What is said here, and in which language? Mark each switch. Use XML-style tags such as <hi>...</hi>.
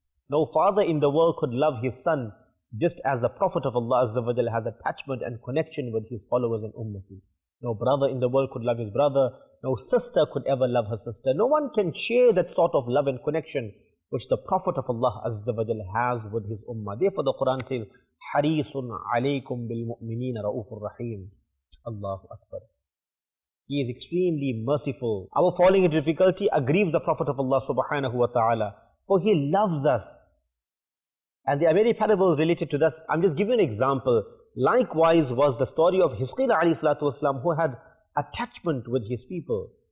<en>No father in the world could love his son just as the Prophet of Allah Azza wa Jal has attachment and connection with his followers and ummah. No brother in the world could love his brother. No sister could ever love her sister. No one can share that sort of love and connection which the Prophet of Allah Azza wa Jal has with his ummah. Therefore the Quran says,</en> <ar>حَرِيصٌ عَلَيْكُمْ بِالْمُؤْمِنِينَ رَؤُوفُ الرَّحِيمُ.</ar> <en>Allahu Akbar. He is extremely merciful. Our falling in difficulty aggrieves the Prophet of Allah subhanahu wa ta'ala, for he loves us. And there are many parables related to this. I'm just giving an example. Likewise was the story of Hizqil alayhi salatu wasalam, who had attachment with his people.</en>